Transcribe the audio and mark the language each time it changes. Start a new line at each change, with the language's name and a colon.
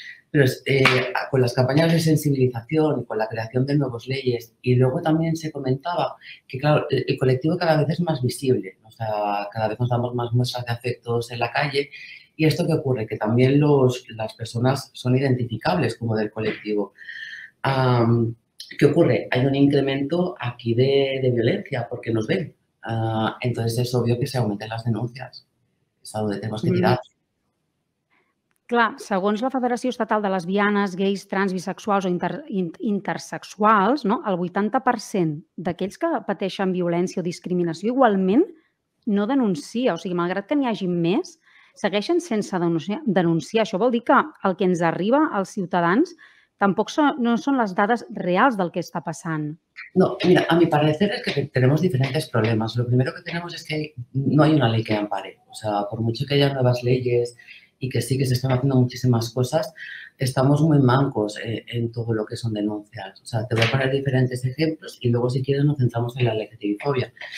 Spanish: Pero con las campañas de sensibilización y con la creación de nuevas leyes, y luego también se comentaba que, claro, el colectivo cada vez es más visible, ¿no? O sea, cada vez nos damos más muestras de afectos en la calle. ¿Y esto qué ocurre? Que también las personas son identificables como del colectivo. ¿Qué ocurre? Hay un incremento aquí de violencia porque nos ven. Entonces es obvio que se aumenten las denuncias. Es a donde tenemos que tirar.
Catalan: Clar, segons la Federació Estatal de Lesbianes, Gais, Trans, Bisexuals o Intersexuals, no? El 80% d'aquells que pateixen violència o discriminació igualment no denuncia. O sigui, malgrat que n'hi hagi més, segueixen sense denunciar. Això vol dir que el que ens arriba als ciutadans tampoc no són les dades reals del que està passant.
Spanish: No, mira, a mi parecer es que tenemos diferentes problemas. Lo primero que tenemos es que no hay una ley que ampare. O sea, por mucho que haya nuevas leyes y que sí que se están haciendo muchísimas cosas, estamos muy mancos en todo lo que son denuncias. O sea, te voy a poner diferentes ejemplos y luego, si quieres, nos centramos en la LGTBIfobia.